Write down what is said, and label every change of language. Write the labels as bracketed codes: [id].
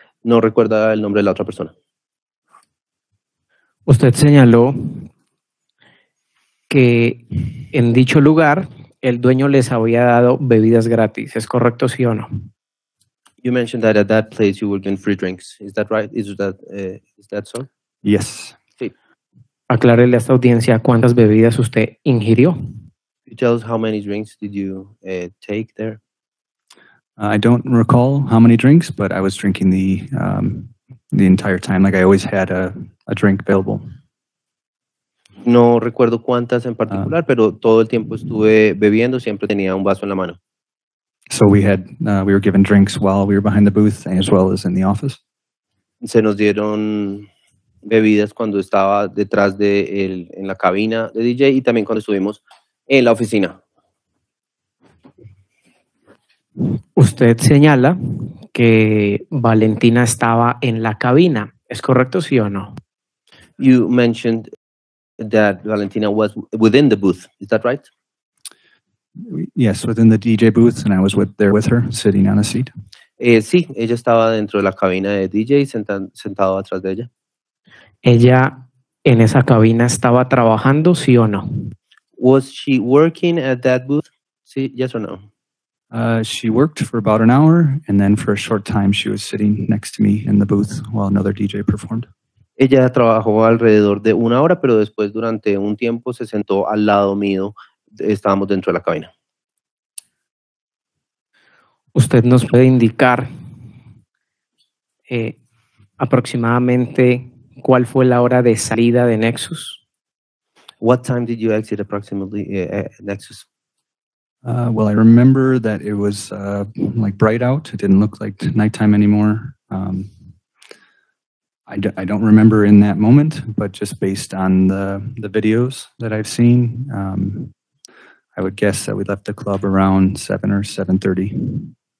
[es] No recuerda el nombre de la otra persona. Usted señaló que en dicho lugar el dueño les había dado bebidas gratis. ¿Es correcto, sí o no? [en] You mentioned that at that place you were given free drinks. Is that right? Is that so? Yes. [es] Aclárele a esta audiencia cuántas bebidas usted ingirió. [en] You tell us how many drinks did you take there? I don't recall how many drinks, but I was drinking the entire time. Like I always had a drink available. [es] No recuerdo cuántas en particular, pero todo el tiempo estuve bebiendo, siempre tenía un vaso en la mano. [en] So we were given drinks while we were behind the booth as well as in the office. [es] Se nos dieron bebidas cuando estaba detrás de él en la cabina de DJ y también cuando estuvimos en la oficina. Usted señala que Valentina estaba en la cabina. ¿Es correcto, sí o no? [en] You mentioned that Valentina was within the booth. Is that right? Yes, within the DJ booth, and I was there with her, sitting on a seat. [es] Sí, ella estaba dentro de la cabina de DJ, sentado atrás de ella. ¿Ella en esa cabina estaba trabajando, sí o no? [en] Was she working at that booth? Sí, yes or no? She worked for about an hour, and then for a short time she was sitting next to me in the booth while another DJ performed. [es] Ella trabajó alrededor de una hora, pero después durante un tiempo se sentó al lado mío. Estábamos dentro de la cabina. ¿Usted nos puede indicar aproximadamente cuál fue la hora de salida de Nexus? [en] What time did you exit approximately Nexus? Well, I remember that it was like bright out. It didn't look like nighttime anymore. I don't remember in that moment, but just based on the videos that I've seen, I would guess that we left the club around 7 or 7:30.